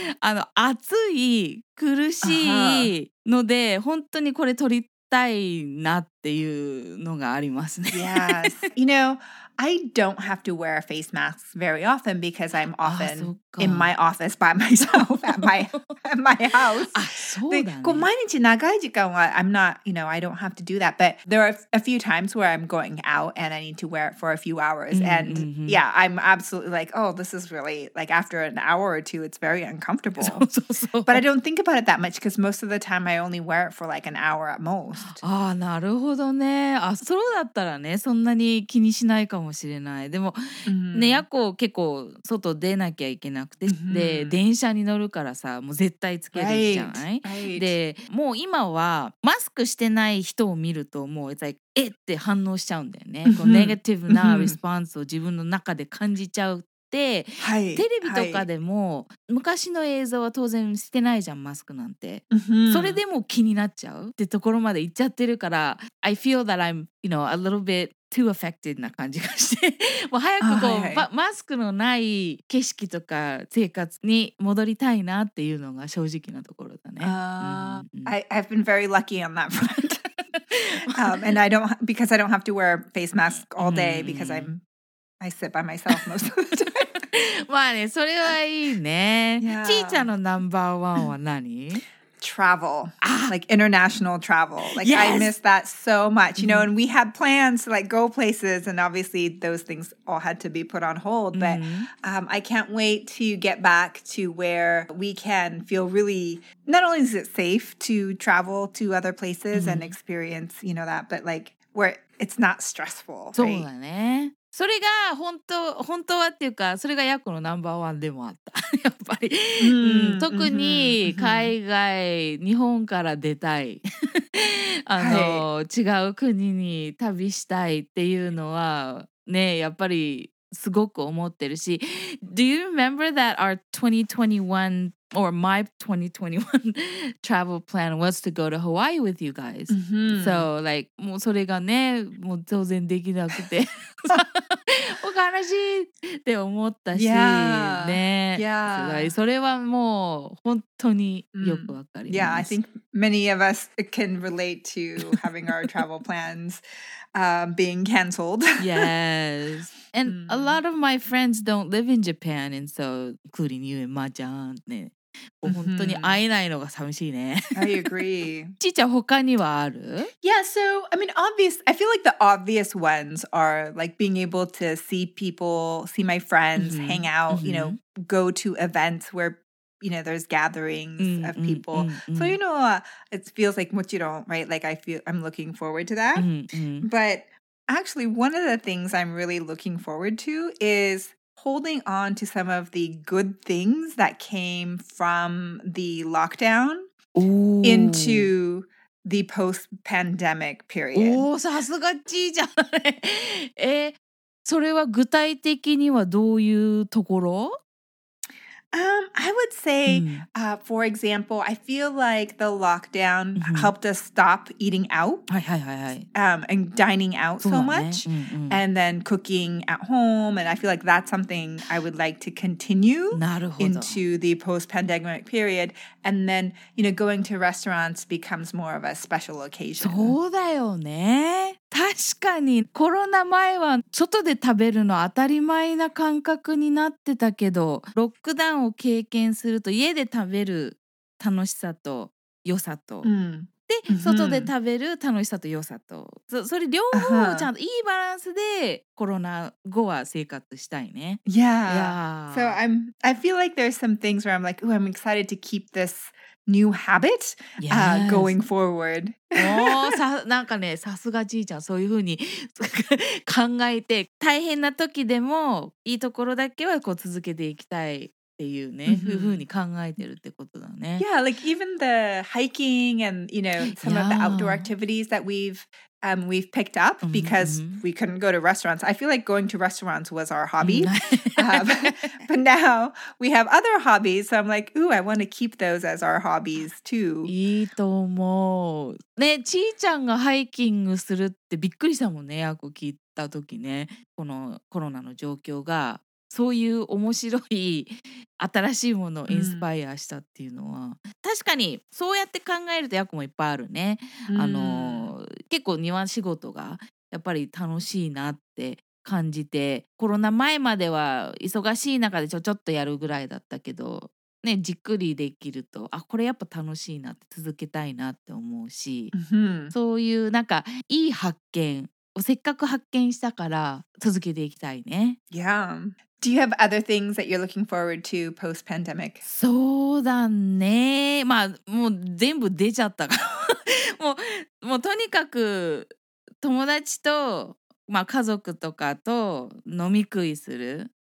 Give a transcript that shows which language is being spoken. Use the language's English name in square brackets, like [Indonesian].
[Japanese] あの、暑い、苦しいので、本当にこれ取りたいなっていうのがありますね。 [English] Yes. You know, I don't have to wear face masks very often because I'm often in my office by myself at my house. [Japanese] こう毎日長い時間は [English] I'm not, you know, I don't have to do that. But there are a few times where I'm going out and I need to wear it for a few hours. And yeah, I'm absolutely like, oh, this is really, like after an hour or two, it's very uncomfortable. But I don't think about it that much because most of the time I only wear it for like an hour at most. [Japanese] ああ、なるほどね。あ、そうだったらね、そんなに気にしないかもしれない。でも、ね、やっこ結構外出なきゃいけなくて、で、電車に乗るからさ、もう絶対つけるじゃない。 [English] Right, right. [Japanese] で、もう今はマスクしてない人を見ると、もう [English] it's like, [Japanese] えって反応しちゃうんだよね。こうネガティブなレスポンスを自分の中で感じちゃうって、はい、テレビとかでも、はい、昔の映像は当然してないじゃん、マスクなんて。それでも気になっちゃうってところまで行っちゃってるから、 [English] I feel that I'm, you know, a little bit too affected [Japanese] な感じがして、もう早くこう、マスクのない景色とか生活に戻りたいなっていうのが正直なところだね。 [English] I've been very lucky on that front. and I don't, because I don't have to wear a face mask all day because I sit by myself most of the time. [Japanese] まあね、それはいいね。ちーちゃんのナンバーワンは何？ [English] Travel, like international travel. Like, yes! I miss that so much, you know, and we had plans to like go places, and obviously those things all had to be put on hold. But I can't wait to get back to where we can feel really, not only is it safe to travel to other places and experience, you know, that, but like where it's not stressful. So, right? [Japanese] だね。それが本当はっていうか、それがヤコのナンバーワンでもあった。やっぱり。特に海外、日本から出たい。はい、違う国に旅したいっていうのは、ね、やっぱりすごく思ってるし。 [English] Do you remember that our 2021 or my 2021 travel plan was to go to Hawaii with you guys?、So, like, [Japanese] もうそれがね、もう当然できなくて。お悲しいって思ったし、 [English] yeah. [Japanese] ね、 [English] yeah. [Japanese] それはもう本当によくわかります。 [English] Yeah, I think many of us can relate to having our travel plans being canceled. Yes, and a lot of my friends don't live in Japan, and so including you and Ma-chan, [Japanese] ね、本当に会えないのが寂しいね。 [English] I agree. [Japanese] ちーちゃん他にはある？ [English] Yeah, so I mean, obvious. I feel like the obvious ones are like being able to see people, see my friends, hang out. You know, go to events where you know there's gatherings of people. So you know, it feels like [Japanese] もちろん [English] right. Like I feel I'm looking forward to that. But actually, one of the things I'm really looking forward to is. Holding on to some of the good things that came from the lockdown、 Ooh. into the post-pandemic period. [Japanese] おー、さすがちいじゃんね。え、それは具体的にはどういうところ？ [English] I would say, for example, I feel like the lockdown helped us stop eating out and dining out so much and then cooking at home. And I feel like that's something I would like to continue into the post-pandemic period. And then, you know, going to restaurants becomes more of a special occasion. [Japanese] そうだよね。確かにコロナ前は外で食べるの当たり前な感覚になってたけど、ロックダウンを経験すると家で食べる楽しさと良さと、で、外で食べる楽しさと良さと、それ両方ちゃんといいバランスでコロナ後は生活したいね。 [English] So I feel like there's some things where I'm like, oh, I'm excited to keep this new habit going forward. [Japanese] なんかね、さすがじいちゃん、そういう風に考えて、大変な時でもいいところだけはこう続けていきたい。 [English] Yeah, like even the hiking and, you know, some of the outdoor activities that we've picked up because we couldn't go to restaurants. I feel like going to restaurants was our hobby. but now we have other hobbies. So I'm like, ooh, I want to keep those as our hobbies too. [Japanese] いいと思う。ね、ちーちゃんがハイキングするってびっくりしたもんね。あこ聞いた時ね、このコロナの状況が。そういう面白い新しいものをインスパイアしたっていうのは、確かにそうやって考えると役もいっぱいあるね。あの結構庭仕事がやっぱり楽しいなって感じて、コロナ前までは忙しい中でちょっとやるぐらいだったけど、ね、じっくりできると、あ、これやっぱ楽しいなって続けたいなって思うし、そういうなんかいい発見をせっかく発見したから続けていきたいね。 [English] Do you have other things that you're looking forward to post-pandemic? [Japanese] そうだね。まあ、もう全部出ちゃったから。もうとにかく友達と、まあ、家族とかと飲み食いする。